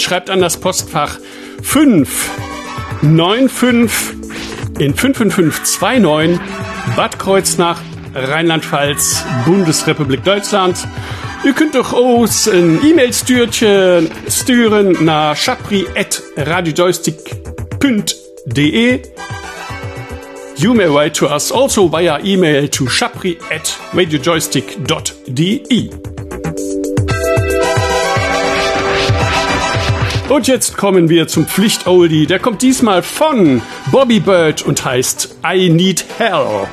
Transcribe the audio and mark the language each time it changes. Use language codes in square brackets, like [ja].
[de] Schreibt an das Postfach 595 in 55529 Bad Kreuznach, Rheinland-Pfalz, Bundesrepublik Deutschland. Ihr könnt doch uns ein E-Mail-Stürchen stüren nach schapri@radiojoystick.de. [en] You may write to us also via email to schapri@radiojoystick.de. [de] Und jetzt kommen wir zum Pflicht-Oldie. Der kommt diesmal von Bobby Bird und heißt I Need Hell.